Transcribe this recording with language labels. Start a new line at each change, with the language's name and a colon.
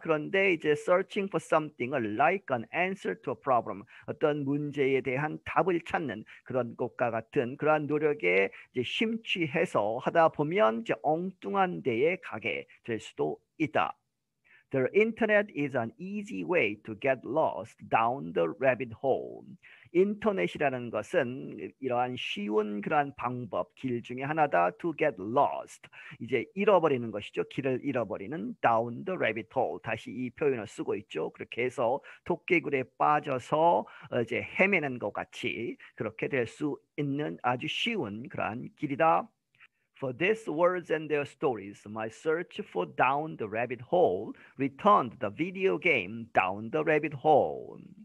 Korean: 그런데 이제
English: searching for something
Korean: 을
English: like an answer to a problem
Korean: 어떤 문제에 대한 답을 찾는 그런 것과 같은 그러한 노력에 이제 심취해서 하다 보면 이제 엉뚱한 데에 가게 될 수도 있다.
English: The internet is an easy way to get lost down the rabbit hole.
Korean: 인터넷이라는 것은 이러한 쉬운 그러한 방법, 길 중에 하나다.
English: To get lost.
Korean: 이제 잃어버리는 것이죠. 길을 잃어버리는
English: down the rabbit hole.
Korean: 다시 이 표현을 쓰고 있죠. 그렇게 해서 토끼굴에 빠져서 이제 헤매는 것 같이 그렇게 될수 있는 아주 쉬운 그러한 길이다.
English: For these words and their stories, my search for down the rabbit hole returned the video game down the rabbit hole.